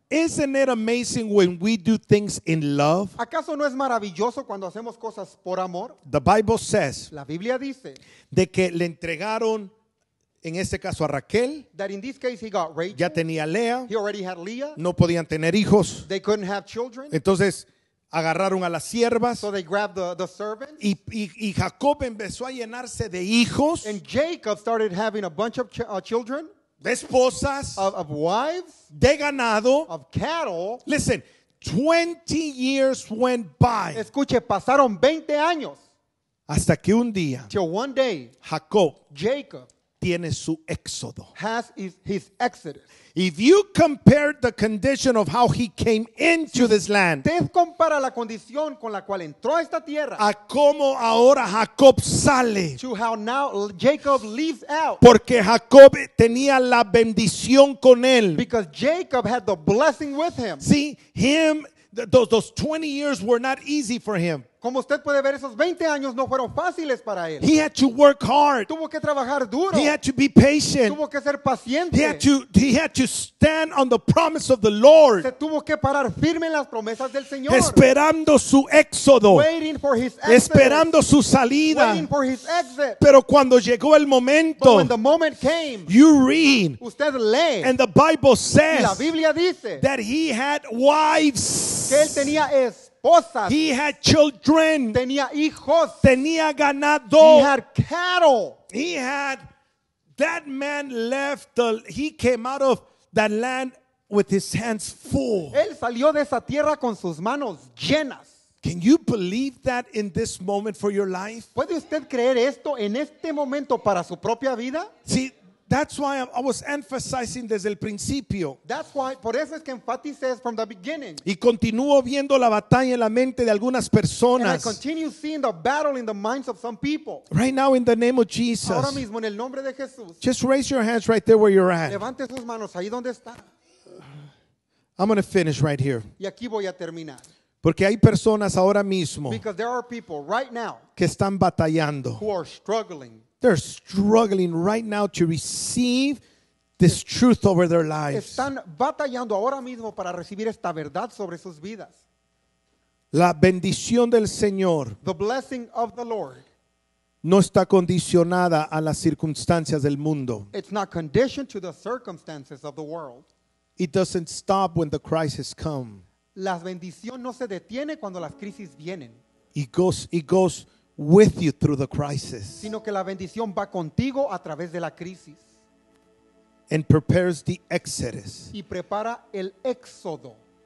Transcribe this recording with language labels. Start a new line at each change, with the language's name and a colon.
English: Isn't it amazing when we do things in love?
Spanish: ¿Acaso no es maravilloso cuando hacemos cosas por amor?
English: The Bible says.
Spanish: La Biblia dice. De que le entregaron, en este caso a Raquel.
English: That in this case he got Rachel.
Spanish: Ya tenía Lea.
English: He already had Leah.
Spanish: No podían tener hijos.
English: They couldn't have children.
Spanish: Entonces agarraron a las siervas.
English: So they grabbed the servants.
Spanish: Y Jacob empezó a llenarse de hijos.
English: And Jacob started having a bunch of children.
Spanish: De esposas,
English: of wives,
Spanish: de ganado,
English: of cattle. Listen, 20 years went by.
Spanish: Escuche, pasaron 20 años. Hasta que un día,
English: till one day,
Spanish: Jacob tiene su éxodo.
English: Has his exodus. If you compare the condition of how he came into this land,
Spanish: usted compara la condición con la cual entró a esta tierra, a cómo ahora Jacob sale,
English: to how now Jacob leaves out,
Spanish: porque Jacob tenía la bendición con él,
English: because Jacob had the blessing with him. See, him, those 20 years were not easy for him.
Spanish: Como usted puede ver, esos 20 años no fueron fáciles para él.
English: He had to work hard.
Spanish: Tuvo que trabajar duro.
English: He had to be patient.
Spanish: Tuvo que ser paciente.
English: He had to stand on the promise of the Lord.
Spanish: Se tuvo que parar firme en las promesas del Señor. Esperando su éxodo.
English: Waiting for his exit.
Spanish: Esperando su salida.
English: Waiting for his exit.
Spanish: Pero cuando llegó el momento.
English: But when the moment came. You read.
Spanish: Usted lee.
English: And the Bible says.
Spanish: La Biblia dice.
English: That he had wives.
Spanish: Que él tenía esposas.
English: He had children.
Spanish: Tenía hijos. Tenía ganado.
English: He had cattle. He had, that man left the, he came out of that land with his hands full.
Spanish: Él salió de esa tierra con sus manos llenas.
English: Can you believe that in this moment for your life?
Spanish: ¿Puede usted creer esto en este momento para su propia vida?
English: See, that's why I was emphasizing
Spanish: desde el principio.
English: That's why,
Spanish: por eso es que enfatice
English: from the beginning.
Spanish: Y continúo viendo la batalla en la mente de algunas personas.
English: And I continue seeing the battle in the minds of some people. Right now in the name of Jesus.
Spanish: Ahora mismo en el nombre de Jesús.
English: Just raise your hands right there where you're at.
Spanish: Levante sus manos ahí donde está.
English: I'm going to finish right here.
Spanish: Y aquí voy a terminar. Porque hay personas ahora mismo.
English: Because there are people right now.
Spanish: Que están batallando.
English: Who are struggling. They're struggling right now to receive this truth over their lives.
Spanish: Están batallando ahora mismo para recibir esta verdad sobre sus vidas. La bendición del Señor,
English: the blessing of the Lord,
Spanish: no está condicionada a las circunstancias del mundo.
English: It's not conditioned to the circumstances of the world. It doesn't stop when the crisis comes.
Spanish: La bendición no se detiene cuando las crisis vienen.
English: It goes with you through the crisis.
Spanish: Sino que la bendición va contigo a través de la crisis.
English: And prepares the exodus.
Spanish: Y prepara el éxodo.